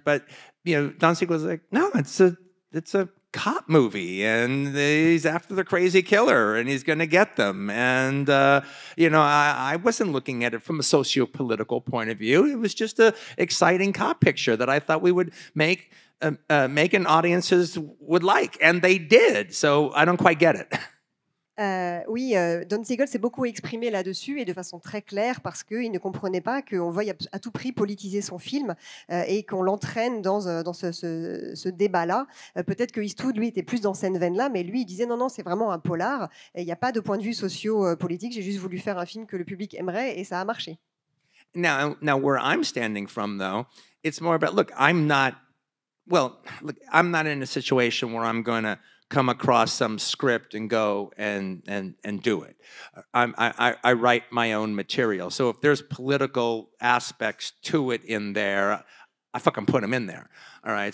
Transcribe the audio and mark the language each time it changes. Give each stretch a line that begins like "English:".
English: But, you know, Don Siegel was like, no, it's a cop movie, and he's after the crazy killer, and he's going to get them. And, you know, I wasn't looking at it from a socio-political point of view. It was just an exciting cop picture that I thought we would make making audiences would like, and they did. So I don't quite get it.
French: Don Siegel s'est beaucoup exprimé là-dessus et de façon très claire, parce qu'il ne comprenait pas qu'on veuille à tout prix politiser son film et qu'on l'entraîne dans ce débat-là. Peut-être que Eastwood, lui, était plus dans cette veine-là, mais lui, il disait non, c'est vraiment un polar, il n'y a pas de point de vue socio-politique, j'ai juste voulu faire un film que le public aimerait, et ça a marché.
English: Now where I'm standing from, though, it's more about, look, I'm not in a situation where I'm going to come across some script and go and do it. I write my own material. So if there's political aspects to it in there, I fucking put them in there. All right.